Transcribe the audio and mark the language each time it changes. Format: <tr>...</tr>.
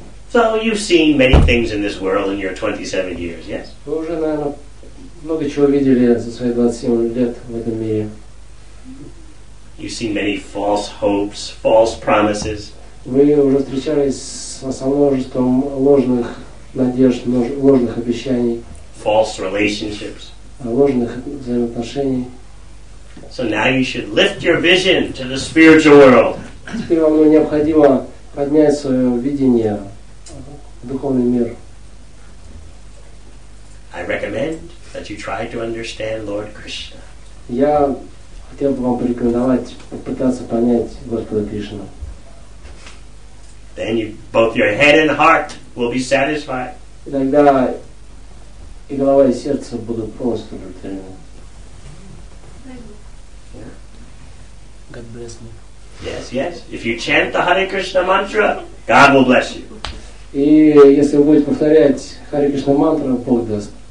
<en>So you've seen many things in this world in your 27 years, yes?</en> <ru>Вы уже, наверное, много чего видели за свои 27 лет в этом мире.</ru> <en>You've seen many false hopes, false promises.</en> <ru>Вы уже встречались со множеством ложных надежд, ложных обещаний.</ru> <en>False relationships.</en> <ru>Ложных взаимоотношений.</ru> <en>So now you should lift your vision to the spiritual world.</en> <ru>Теперь вам необходимо поднять свое видение в духовный мир.</ru> <en>I recommend that you try to understand Lord Krishna.</en> <ru>Я хотел бы вам порекомендовать попытаться понять Господа Кришну.</ru> <en>Then you, both your head and heart will be satisfied.</en> <ru>И тогда и голова, и сердце будут полностью удовлетворены.</ru> <en>God bless me. Yes, yes. If you chant the Hare Krishna mantra, God will bless you.</en> <ru>И если вы будете повторять Hare Krishna mantra, Бог даст.</ru>